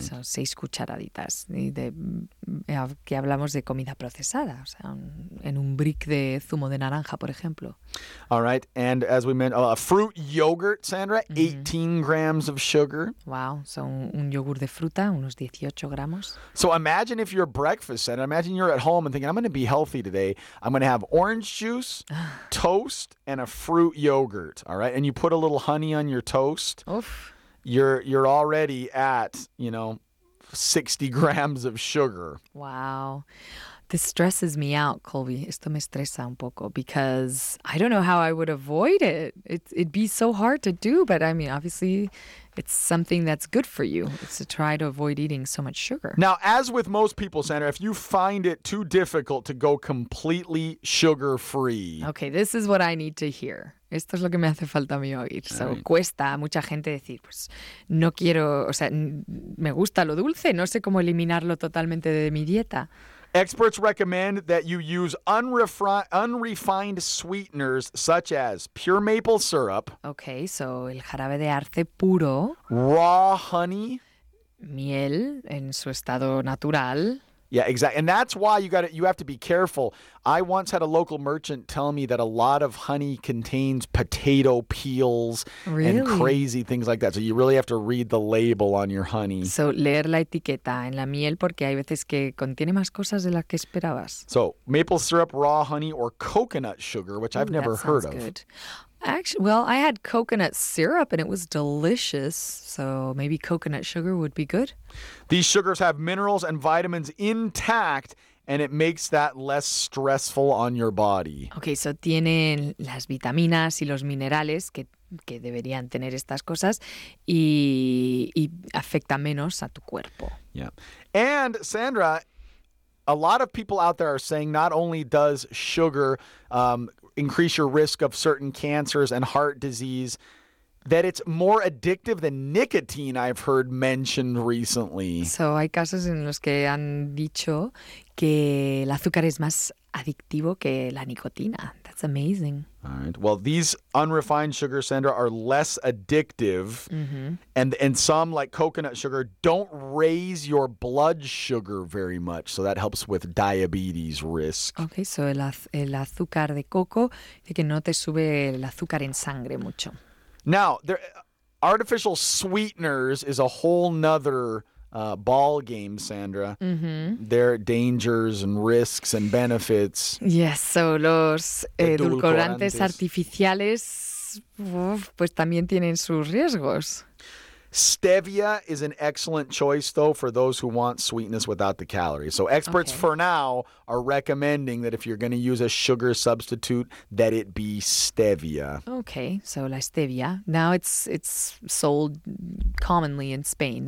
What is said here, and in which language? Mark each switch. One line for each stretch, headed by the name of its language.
Spanish: So 6 cucharaditas. Y de, que hablamos de comida procesada. O sea, en un brick de zumo de naranja, por ejemplo.
English: All right, and as we mentioned, fruit yogurt, Sandra, mm-hmm. 18 grams of sugar.
Spanish: Wow, so un yogur de fruta, unos 18 gramos.
English: So imagine if you're breakfast, Sandra, imagine you're at home and thinking, I'm going to be healthy today. I'm going to have orange juice, toast, and a fruit yogurt, all right? And you put a little honey on your toast. Oof. You're already at, 60 grams of sugar. Wow. This stresses me out, Colby.
Spanish: Esto me estresa un poco
English: because I don't know how I would avoid it. It'd be so hard to do, but I mean, obviously, it's something that's good for you. It's to try to avoid eating so much sugar. Now, as with most people, Sandra, if you find it too difficult to go completely sugar-free. Okay, this is what I need to hear.
Spanish: Esto es lo que me hace falta a mí oír.
English: So, right.
Spanish: Cuesta a mucha gente decir, pues, no quiero, o sea, me gusta lo dulce. No sé cómo eliminarlo totalmente de mi dieta.
English: Experts recommend that you use unrefined sweeteners such as pure maple syrup.
Spanish: Okay, so el jarabe de arce puro.
English: Raw honey.
Spanish: Miel en su estado natural.
English: Yeah, exactly. And that's why you have to be careful. I once had a local merchant tell me that a lot of honey contains potato peels really? And crazy things like that. So you really have to read the label on your honey.
Spanish: So leer la etiqueta en la miel porque hay veces que contiene más cosas de las que esperabas.
English: So maple syrup, raw honey, or coconut sugar, which I've never heard of. That sounds good. Actually, well, I had coconut syrup and it was delicious, so maybe coconut sugar would be good. These sugars have minerals and vitamins intact, and it makes that less stressful on your body.
Spanish: Okay, so tienen las vitaminas y los minerales que deberían tener estas cosas y afecta menos a tu cuerpo.
English: Yeah. And Sandra, a lot of people out there are saying not only does sugar increase your risk of certain cancers and heart disease, that it's more addictive than nicotine, I've heard mentioned recently.
Spanish: So, hay casos en los que han dicho que el azúcar es más adictivo que la nicotina.
English: That's amazing. All right. Well, these unrefined sugars, Sandra, are less addictive. Mm-hmm. And some, like coconut sugar, don't raise your blood sugar very much. So that helps with diabetes risk.
Spanish: Okay, so el azúcar de coco, de que no te sube el azúcar en sangre mucho.
English: Now, artificial sweeteners is a whole nother ball game, Sandra. Mm-hmm. There are dangers and risks and benefits.
Spanish: Yes, so los edulcorantes artificiales, pues también tienen sus riesgos.
English: Stevia is an excellent choice, though, for those who want sweetness without the calories. So experts for now are recommending that if you're going to use a sugar substitute, that it be stevia. Okay, so la stevia. Now it's sold commonly in Spain.